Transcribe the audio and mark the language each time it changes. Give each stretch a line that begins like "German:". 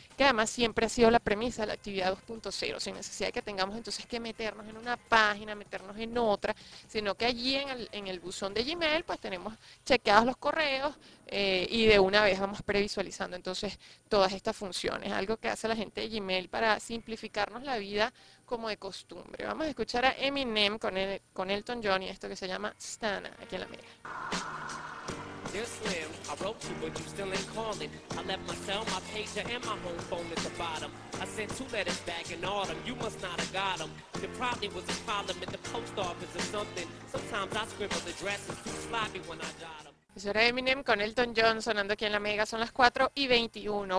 Spanish: que además siempre ha sido la premisa de la actividad 2.0, sin necesidad de que tengamos entonces que meternos en una página, meternos en otra, sino que allí en el buzón de Gmail pues tenemos chequeados los correos y de una vez vamos previsualizando entonces todas estas funciones, algo que hace la gente de Gmail para simplificarnos la vida como de costumbre. Vamos a escuchar a Eminem con el, con Elton John y esto que se llama Stana, aquí en la mega.
English: Dear Slim, I wrote you, but you still ain't calling. I left my cell, my pager, and my home phone at the bottom. I sent two letters back in autumn, you must not have got them. There probably was a problem at the post office or something. Sometimes I scribble the addresses too sloppy when I jot them.
Spanish: Eso era Eminem con Elton John sonando aquí en la mega, son las 4:21.